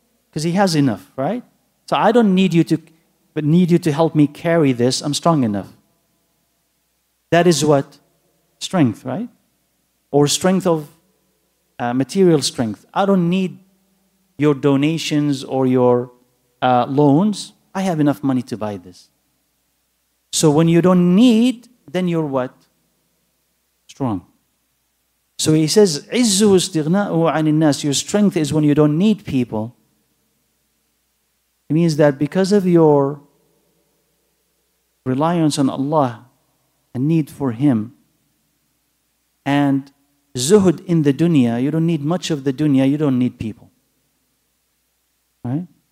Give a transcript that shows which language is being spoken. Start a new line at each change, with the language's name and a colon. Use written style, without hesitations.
English: Because he has enough, right? So I don't need you to help me carry this. I'm strong enough. That is what? Strength, right? Or strength of material strength. I don't need your donations or your loans, I have enough money to buy this. So when you don't need, then you're what? Strong. So he says,
Arabic: عِزُّ وَاسْتِغْنَاءُ عَنِ النَّاسِ.
English: Your strength is when you don't need people. It means that because of your reliance on Allah and need for Him and zuhud in the dunya, you don't need much of the dunya, you don't need people. Right?